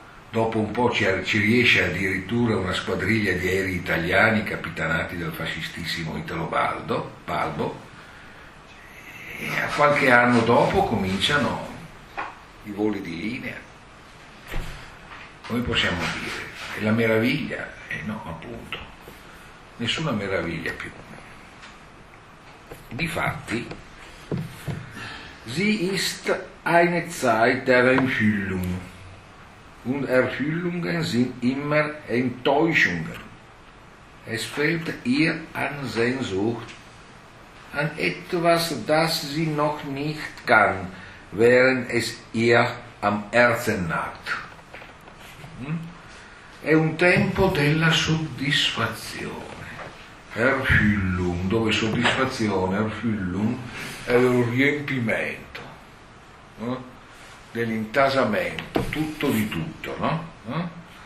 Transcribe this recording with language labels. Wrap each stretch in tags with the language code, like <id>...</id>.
<it>Dopo un po' ci riesce addirittura una squadriglia di aerei italiani capitanati dal fascistissimo Italo Balbo, e a qualche anno dopo cominciano i voli di linea. Come possiamo dire? È la meraviglia, no, appunto, nessuna meraviglia più.</it> <de>Difatti, sie ist eine Zeit der Enthüllung. Und Erfüllungen sind immer Enttäuschungen. Es fehlt ihr an Sehnsucht, an etwas, das sie noch nicht kann, während es ihr am Herzen nagt.</de> <it>È un tempo della soddisfazione. Erfüllung, dove soddisfazione, Erfüllung, è il riempimento. Dell'intasamento, tutto di tutto, no?</it>